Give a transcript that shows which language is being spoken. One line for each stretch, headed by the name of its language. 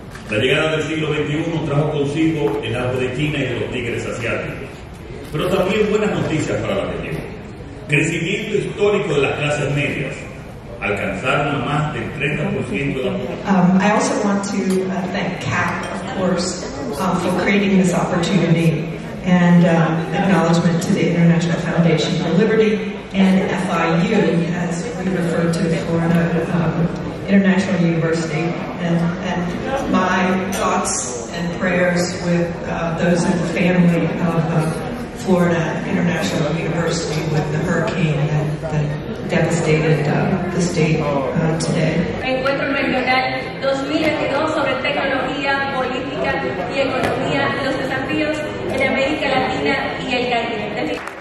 Spanish: La llegada del siglo XXI trajo consigo el hambre de China y de los tigres asiáticos, pero también buenas noticias para la región. Crecimiento histórico de las clases medias, alcanzaron más del 30% de la población.
English: I also want to thank CAPP, of course, for creating this opportunity and acknowledgement to the International Foundation for Liberty and FIU, as we refer to Florida, International University, and my thoughts and prayers with those of the family of Florida International University with the hurricane that devastated the state today.
Spanish: Encuentro regional 2022 sobre tecnología, política y economía, los desafíos en América Latina y el Caribe.